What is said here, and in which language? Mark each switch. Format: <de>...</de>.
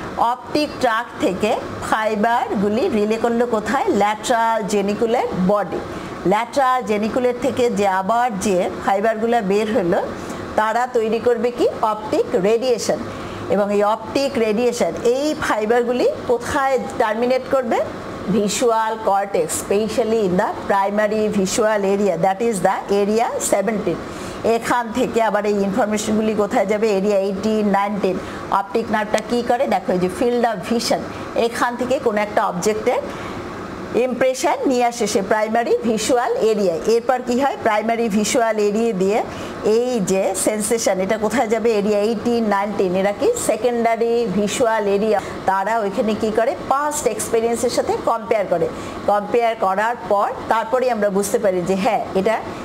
<bn>Optic tract থেকে ফাইবারগুলি relay করলো কোথায় lateral geniculate body lateral geniculate থেকে যে আবার যে ফাইবারগুলো বের হলো তারা তৈরি করবে কি অপটিক রেডিয়েশন এবং এই অপটিক রেডিয়েশন এই ফাইবারগুলি কোথায় টার্মিনেট করবে</bn> <en>visual cortex, especially in the primary visual area, that is the area 17.</en> <bn>এখান থেকে আবার এই ইনফরমেশনগুলি কোথায় যাবে এরিয়া 18-19 অপটিক নার্ভটা কী করে দেখো যে ফিল্ড অফ ভিশন এখান থেকে কোন একটা অবজেক্টের ইমপ্রেশন নিয়ে আসে সে প্রাইমারি ভিজুয়াল এরিয়ায় এরপর কী হয় প্রাইমারি ভিজুয়াল এরিয়া দিয়ে এই যে সেন্সেশন এটা কোথায় যাবে এরিয়া 18-19 এরা কি সেকেন্ডারি ভিজুয়াল এরিয়া তারা ওইখানে কী করে পাস্ট এক্সপিরিয়েন্সের সাথে কম্পেয়ার করে কম্পেয়ার করার পর তারপরেই আমরা বুঝতে পারি যে হ্যাঁ এটা</bn>